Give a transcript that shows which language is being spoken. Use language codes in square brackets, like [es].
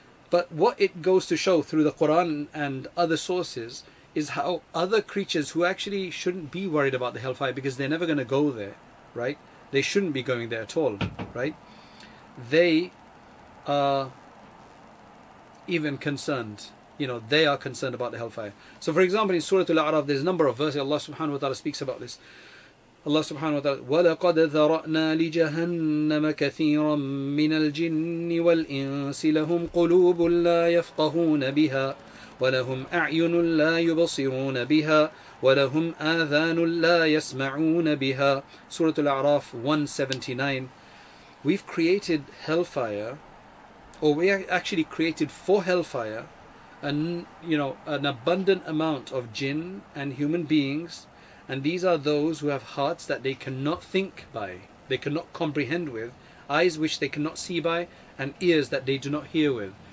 [en] But what it goes to show through the Quran and other sources is how other creatures who actually shouldn't be worried about the hellfire, because they're never going to go there, right? They shouldn't be going there at all, right? They are even concerned. You know, they are concerned about the hellfire. So for example, in Surah Al-A'raf, there's a number of verses. Allah subhanahu wa ta'ala speaks about this. [ar] Allah subhanahu wa ta'ala, وَلَقَدْ ذَرَأْنَا لِجَهَنَّمَ كَثِيرًا مِّنَ الْجِنِّ وَالْإِنسِ لَهُمْ قُلُوبٌ لَا يَفْقَهُونَ بِهَا وَلَهُمْ أَعْيُنٌ لَا يُبَصِرُونَ بِهَا وَلَهُمْ آذَانٌ لَا يَسْمَعُونَ بِهَا. [en] Surah Al-A'raf 179. We've created hellfire, or we actually created for hellfire, and you know, an abundant amount of jinn and human beings, and these are those who have hearts that they cannot think by, they cannot comprehend with, eyes which they cannot see by, and ears that they do not hear with.